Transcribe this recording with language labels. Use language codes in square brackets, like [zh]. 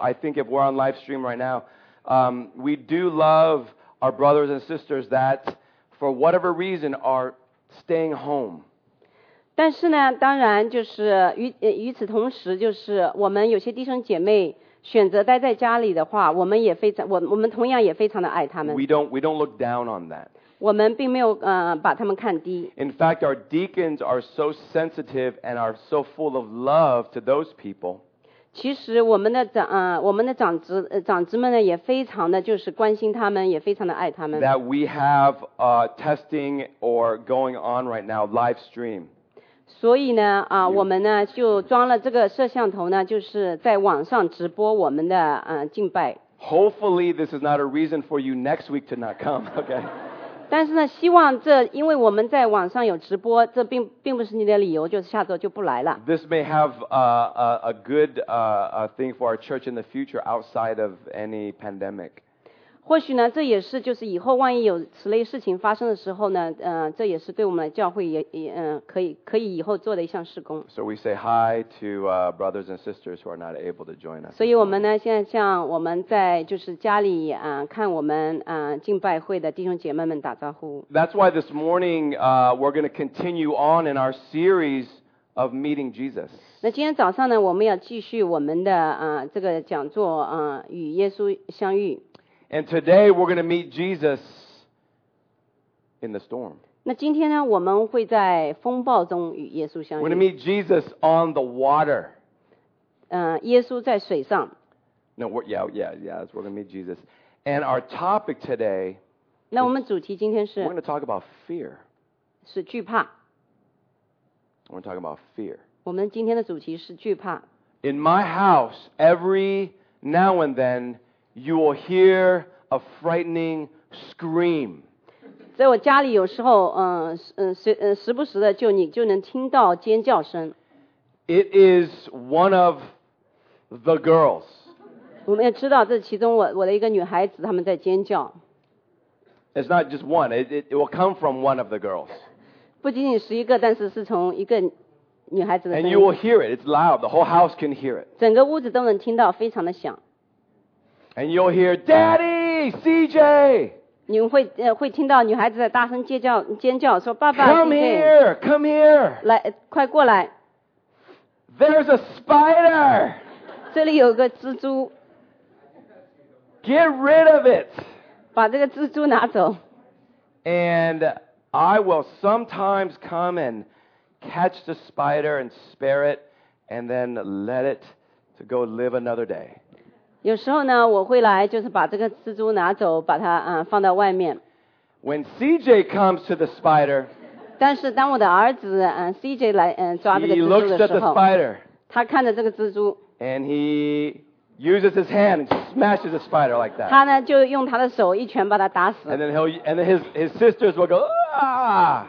[en] I think if we're on live stream right now, we do love our brothers and sisters that for whatever reason are staying home. [zh] 但是呢当然就是 与此同时就是我们有些弟兄姐妹选择待在家里的话我们也非常 我们同样也非常的爱他们 [en] We don't look down on that [zh] 我们并没有把他们看低 [en] In fact our deacons are so sensitive and are so full of love to those people [zh] 其实我们的长子们呢也非常的就是关心他们，也非常的爱他们。 [en] That we have testing or going on right now live stream. [zh] 所以呢啊、我们呢就装了这个摄像头呢，就是在网上直播我们的敬拜。 [en] Hopefully this is not a reason for you next week to not come. Okay. [zh] 但是呢，希望这因为我们在网上有直播，这并不是你的理由，就是下周就不来了。 [en] This may have a good thing for our church in the future outside of any pandemic. [zh] 或许呢，这也是就是以后万一有此类事情发生的时候呢，这也是对我们教会可以以后做的一项事工。 [en] So we say hi to brothers and sisters who are not able to join us. [zh] 所以我们呢，现在向我们在就是家里看我们敬拜会的弟兄姐妹们打招呼。 [en] That's why this morning we're going to continue on in our series of meeting Jesus. [zh] 那今天早上呢，我们要继续我们的这个讲座与耶稣相遇。 [en] And today we're going to meet Jesus in the storm. [zh] 那今天呢，我们会在风暴中与耶稣相遇。 [en] We're going to meet Jesus on the water. [zh] 耶稣在水上。 [en] No, yeah, we're going to meet Jesus. And our topic today. [zh] 那我们主题今天是。 [en] We're going to talk about fear. [zh] 是惧怕。 [en] We're going to talk about fear. [zh] 我们今天的主题是惧怕。 [en] In my house, every now and then. You will hear a frightening scream. [zh] 在我家里有时候，时不时的就能听到尖叫声。 [en] It is one of the girls. [zh] 我们也知道这其中我的一个女孩子他们在尖叫。 [en] It's not just one. It will come from one of the girls. [zh] 不仅仅是一个，但是是从一个女孩子的声音。 [en] And you will hear it. It's loud. The whole house can hear it. [zh] 整个屋子都能听到，非常的响。 [en] And you'll hear, Daddy, CJ. [zh] 你们会听到女孩子在大声尖叫，说爸爸。 [en] Come here. [zh] 来，快过来。 [en] There's a spider. [zh] 这里有个蜘蛛。 [en] Get rid of it. [zh] 把这个蜘蛛拿走。 [en] And I will sometimes come and catch the spider and spare it, and then let it to go live another day. [zh] 有时候呢，我会来，就是把这个蜘蛛拿走，把它放到外面。 [en] When CJ comes to the spider, [zh] 但是当我的儿子CJ 来抓这个蜘蛛的时候， [en] he looks at the spider, [zh] 他看着这个蜘蛛， [en] and he uses his hand and smashes the spider like that. [zh] 他呢就用他的手一拳把它打死。 [en] And then his sisters will go ah.